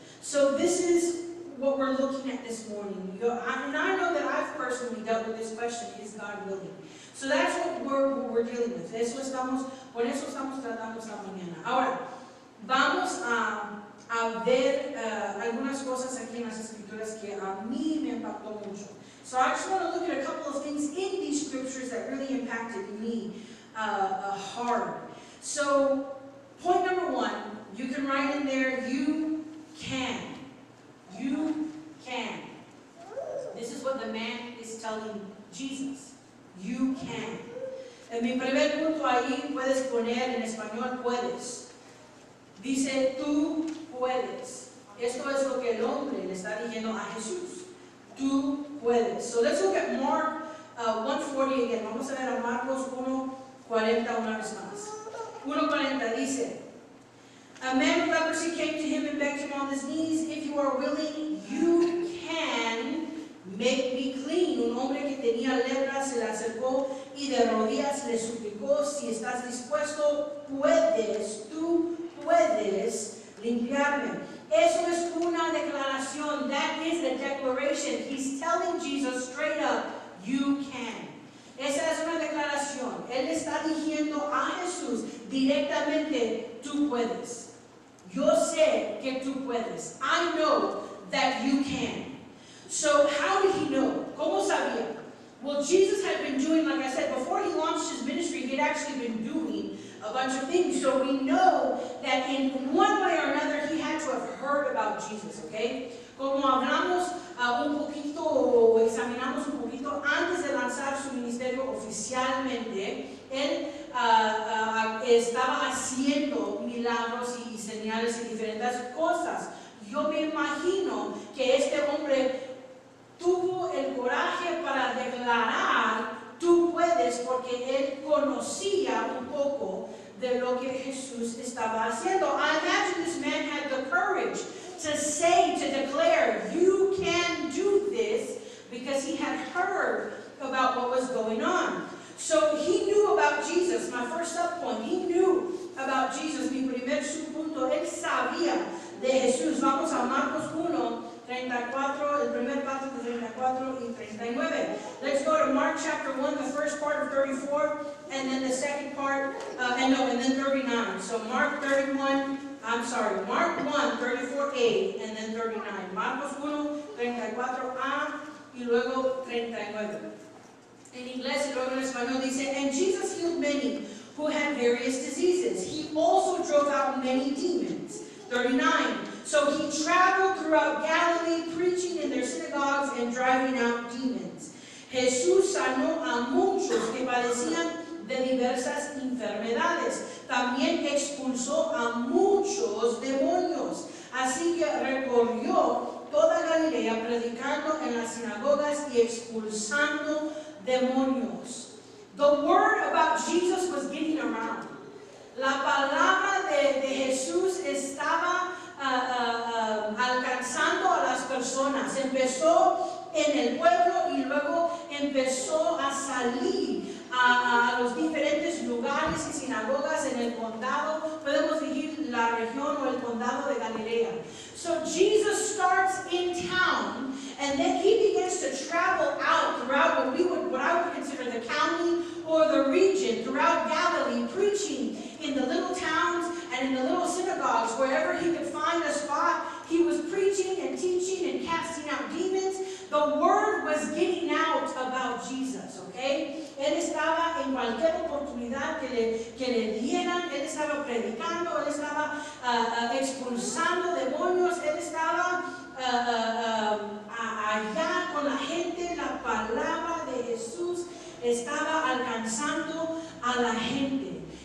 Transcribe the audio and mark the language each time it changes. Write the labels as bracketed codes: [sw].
[en] So this is what we're looking at this morning. And I know that I've personally dealt with this question, is God willing? So that's what we're dealing with. [es] Con eso estamos tratando esta mañana. Ahora, vamos a ver algunas cosas aquí en las escrituras que a mí me impactó mucho. [en] So I just want to look at a couple of things in these scriptures that really impacted me hard. So point number one, you can write in there, you can. You can. This is what the man is telling Jesus. You can. [es] En mi primer punto ahí puedes poner en español puedes. Dice tú puedes. Esto es lo que el hombre le está diciendo a Jesús. Tú puedes. [en] So let's look at Mark 1:40 again. [es] Vamos a ver a Marcos 1:40 una vez más. [en] 1:40 [es] dice, [en] a man with leprosy came to him and begged him on his knees, if you are willing, you can make me clean. [es] Un hombre que tenía lepra se le acercó y de rodillas le suplicó, si estás dispuesto, puedes, tú puedes limpiarme. Eso es una declaración. [en] That is a declaration. He's telling Jesus straight up, you can. [es] Esa es una declaración. Él está diciendo a Jesús directamente, tú puedes. Yo sé que tú puedes. [en] I know that you can. So how did he know? [es] ¿Cómo sabía? [en] Well, Jesus had been doing, like I said, before he launched his ministry, he had actually been doing a bunch of things. So we know that in one way or another, he had to have heard about Jesus, okay? [es] Como hablamos un poquito o examinamos un poquito antes de lanzar su ministerio oficialmente, él estaba haciendo milagros y señales y diferentes cosas. Yo me imagino que este hombre tuvo el coraje para declarar, tú puedes, porque él conocía un poco de lo que Jesús estaba haciendo. [en] I imagine this man had the courage to say, to declare, you can do this, because he had heard about what was going on. So he knew about Jesus, my first sub point. He knew about Jesus, [es] mi primer subpunto. Él sabía vamos a Marcos 1, 34, el primer paso de 34 y 39. [en] Let's go to Mark chapter 1, the first part of 34, and then the second part, and then 39. So Mark 1, 34a, and then 39. [es] Marcos 1, 34a, y luego 39. En inglés y luego en español dice, [en] and Jesus healed many who had various diseases. He also drove out many demons. 39. So he traveled throughout Galilee, preaching in their synagogues and driving out demons. [es] Jesús sanó a muchos que padecían de diversas enfermedades. También expulsó a muchos demonios. Así que recorrió toda Galilea, predicando en las sinagogas y expulsando demonios. [en] The word about Jesus was getting around. [es] La palabra de Jesús estaba alcanzando a las personas. Empezó en el pueblo y luego empezó a salir a los diferentes lugares y sinagogas en el condado. Podemos decir la región o el condado de Galilea. [en] So Jesus starts in town, and then he begins to travel out throughout what I would consider the county or the region, throughout Galilee, preaching in the little towns and in the little synagogues. Wherever he could find a spot, he was preaching and teaching and casting out demons. The word was getting out about Jesus, okay? [es] Él estaba en cualquier oportunidad que le dieran. Él estaba predicando, él estaba expulsando demonios. Él estaba allá con la gente. La palabra de Jesús estaba alcanzando a la gente.